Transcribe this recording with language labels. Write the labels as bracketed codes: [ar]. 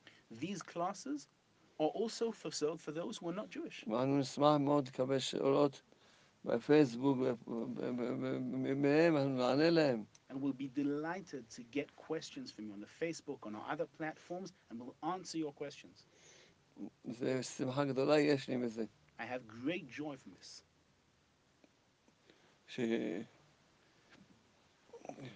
[en] These classes are also fulfilled for those who are not Jewish. [he] בפייסבוק, אנחנו נענה להם. [en] And we'll be delighted to get questions from you on the Facebook, on our other platforms, and we'll answer your questions. [he] זה שמחה גדולה יש לי מזה. [en] I have great joy from this.